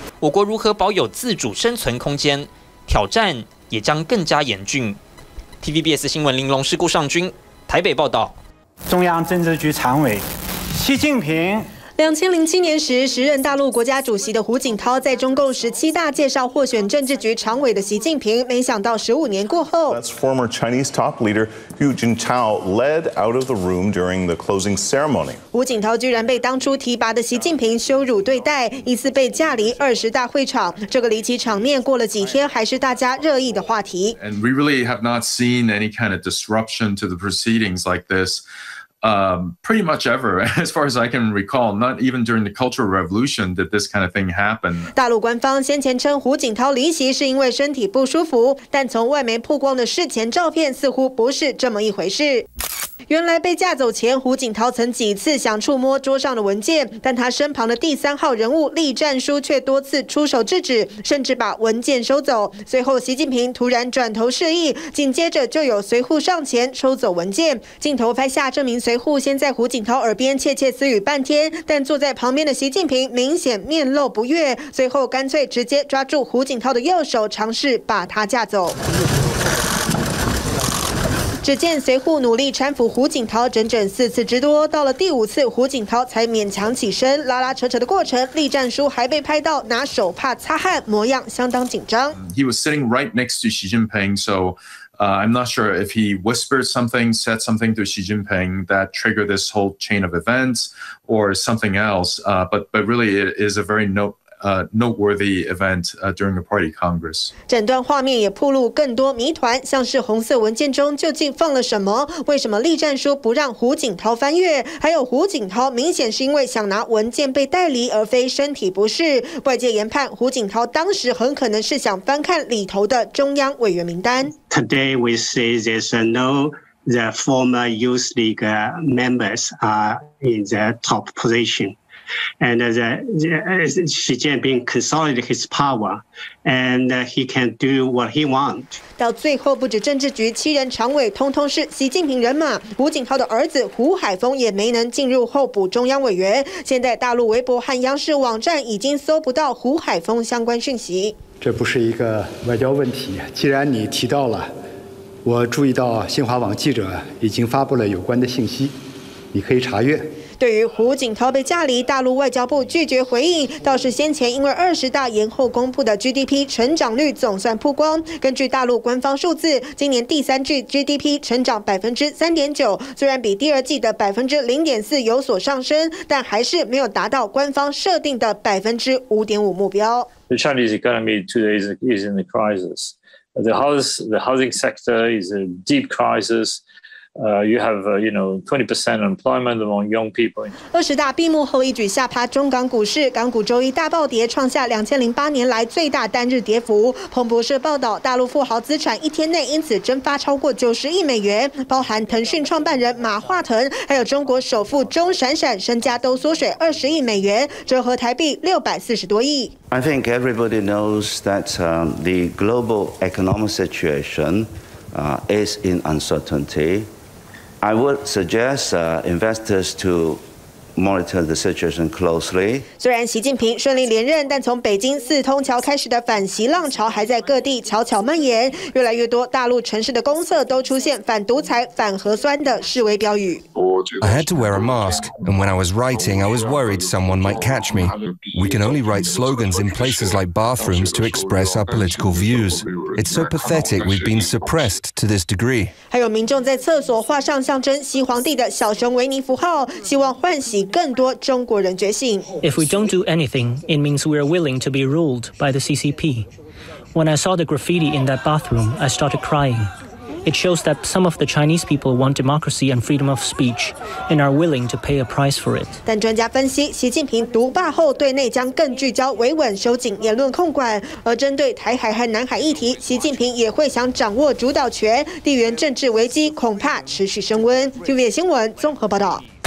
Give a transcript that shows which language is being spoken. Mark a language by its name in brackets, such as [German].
[Chinese] 我国如何保有自主生存空间，挑战也将更加严峻。 TVBS 新闻玲珑事故上军台北报道。中央政治局常委习近平 2007年时，时任大陆国家主席的胡锦涛在中共十七大介绍获选政治局常委的习近平，没想到十五年过后 [English] ，That's former Chinese top leader Hu Jintao led out of the room during the closing ceremony。 [Chinese] 胡锦涛居然被当初提拔的习近平羞辱对待，一次被架离二十大会场。这个离奇场面过了几天，还是大家热议的话题。 [English] And we really have not seen any kind of disruption to the proceedings like this。 Pretty much ever, as far as I can recall, not even during the Cultural Revolution did this kind of thing happen. [Chinese] 大陆官方先前称胡锦涛离席是因为身体不舒服，但从外媒曝光的事前照片似乎不是这么一回事。原来被架走前，胡锦涛曾几次想触摸桌上的文件，但他身旁的第三号人物栗战书却多次出手制止，甚至把文件收走。随后习近平突然转头示意，紧接着就有随扈上前收走文件。镜头拍下这名随扈先在胡锦涛耳边窃窃私语半天，但坐在旁边的习近平明显面露不悦，随后干脆直接抓住胡锦涛的右手，尝试把他架走。只见随扈努力搀扶胡锦涛整整四次之多，到了第五次胡锦涛才勉强起身，拉拉扯扯的过程栗战书还被拍到拿手帕擦汗，模样相当紧张。 [English] He was sitting right next to Xi Jinping, so I'm not sure if he whispered something, said something to Xi Jinping that triggered this whole chain of events or something else, but really it is a very noteworthy event during the Party Congress. [Chinese] 整段画面也暴露更多谜团，像是红色文件中究竟放了什么？为什么栗战书不让胡锦涛翻阅？还有胡锦涛明显是因为想拿文件被带离，而非身体不适。外界研判胡锦涛当时很可能是想翻看里头的中央委员名单。 [English] Today we see there's no the former Youth League members are in the top position. And Xi Jinping consolidated his power, and he can do what he wants. [Chinese] 到最后，不止政治局七人常委，通通是习近平人马。胡锦涛的儿子胡海峰也没能进入候补中央委员。现在大陆微博和央视网站已经搜不到胡海峰相关讯息。这不是一个外交问题。既然你提到了，我注意到新华网记者已经发布了有关的信息，你可以查阅。对于胡锦涛被架离，大陆外交部拒绝回应，倒是先前因为二十大延后公布的 GDP 成长率总算曝光。根据大陆官方数字，今年第三季 GDP 成长3.9%，虽然比第二季的0.4%有所上升，但还是没有达到官方设定的5.5%目标。 [English] The Chinese economy today is in a crisis. The housing sector is a deep crisis. 20% unemployment among young people. [Chinese] 二十大闭幕后一举下趴中港股市，港股周一大暴跌，创下2008年来最大单日跌幅。彭博社报道，大陆富豪资产一天内因此蒸发超过90亿美元，包含腾讯创办人马化腾，还有中国首富钟闪闪，身家都缩水20亿美元，折合台币640多亿。 [English] I think everybody knows that the global economic situation is in uncertainty. I would suggest investors to monitor the situation closely. [Chinese] 虽然习近平顺利连任，但从北京四通桥开始的反习浪潮还在各地悄悄蔓延。越来越多大陆城市的公厕都出现反独裁、反核酸的示威标语。 [English] I had to wear a mask, and when I was writing, I was worried someone might catch me. We can only write slogans in places like bathrooms to express our political views. It's so pathetic we've been suppressed to this degree. [Chinese] 还有民众在厕所画上象征西皇帝的小熊维尼符号，希望唤醒。更多中国人觉醒。 [English] If we don't do anything, it means we are willing to be ruled by the CCP. When I saw the graffiti in that bathroom, I started crying. It shows that some of the Chinese people want democracy and freedom of speech, and are willing to pay a price for it. [Chinese] 但专家分析，习近平独霸后，对内将更聚焦维稳，收紧言论控管。而针对台海和南海议题，习近平也会想掌握主导权。地缘政治危机恐怕持续升温。 TVBS新闻综合报道。